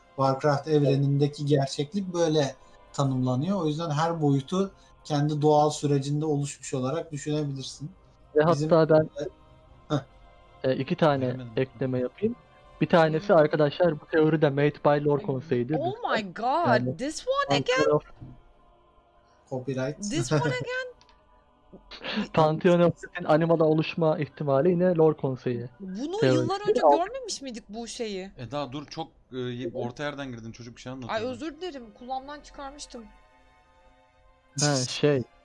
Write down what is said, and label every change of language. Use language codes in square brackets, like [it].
[tr] Warcraft evrenindeki gerçeklik böyle tanımlanıyor. O yüzden her boyutu kendi doğal sürecinde oluşmuş olarak düşünebilirsin. Ve hatta ben iki tane ekleme yapayım. Bir tanesi arkadaşlar bu teori de [en] made by [tr] lore konseyidir. [en] Oh my god, yani, this one again. Of... Copyright. This one again. [tr] Pantheon of the animada oluşma ihtimali yine lore konseyi. Bunu teori. Yıllar önce görmemiş miydik bu şeyi? Eda dur çok orta yerden girdin çocuk bir şey anlatıyor. Ay özür dilerim kulağımdan çıkarmıştım. Ha şey.